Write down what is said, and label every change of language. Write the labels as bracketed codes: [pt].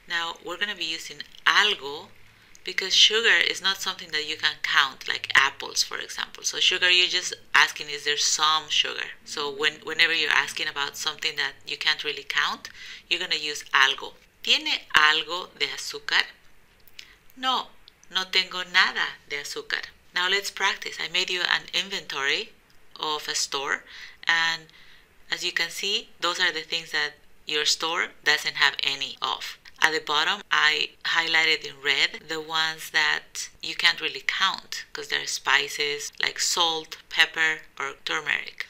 [en] Now we're gonna be using algo because sugar is not something that you can count, like apples, for example. So sugar, you're just asking, is there some sugar? So whenever you're asking about something that you can't really count, you're gonna use algo. [es] ¿Tiene algo de azúcar? No, no tengo nada de azúcar. [en] Now let's practice. I made you an inventory of a store, and as you can see, those are the things that your store doesn't have any of. At the bottom, I highlighted in red the ones that you can't really count because there are spices like salt, pepper, or turmeric.